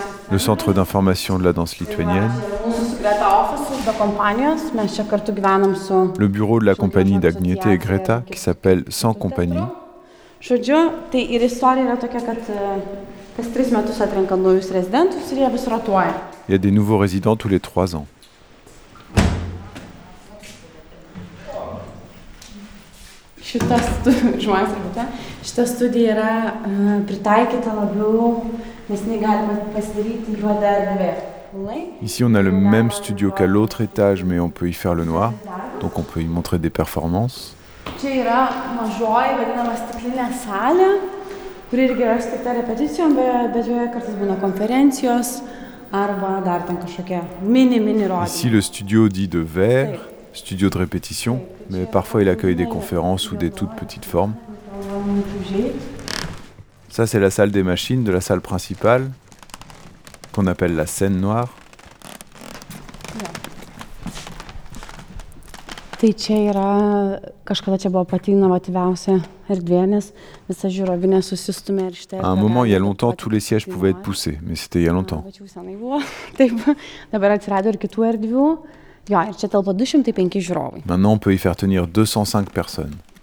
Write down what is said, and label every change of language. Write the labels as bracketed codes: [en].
[fr] le centre d'information de la danse lituanienne, le bureau de la compagnie d'Agnietė et Greta, qui s'appelle Sans Compagnie. [lt] Žodžiu, tai ir istorija yra tokia, kad kas tris metus atrenka naujus rezidentus ir jie vis rotuoja. [fr] Il y a des nouveaux résidents tous les trois ans. [lt] Šita studija yra pritaikyta labiau, nes negalima pasidaryti juodą erdvę. [fr] Ici, on a le même studio qu'à l'autre étage, mais on peut y faire le noir, donc on peut y montrer des performances. [lt] Čia yra mažoji, vadinama stiklinė salė, kuri irgi yra skirta repeticijom, bet joje kartais būna konferencijos arba dar ten kažkokie mini rodymai. [fr] Ici, le studio dit de vert, studio de répétition, mais parfois il accueille des conférences ou des toutes petites formes. Ça, c'est la salle des machines de la salle principale, qu'on appelle la scène noire. [lt] Tai čia yra, kažkada čia buvo pati inovatyviausia erdvė, nes visa žiūrovinė susistumė ir šitą erdvę. [fr] À un moment, il y a longtemps, tous les sièges pouvaient être poussés, mais c'était il y a longtemps. [lt] Taip, dabar atsirado ir kitų erdvių. Jo, ir čia telpa 205 žiūrovai. [fr] Maintenant, on peut y faire tenir 205 personnes.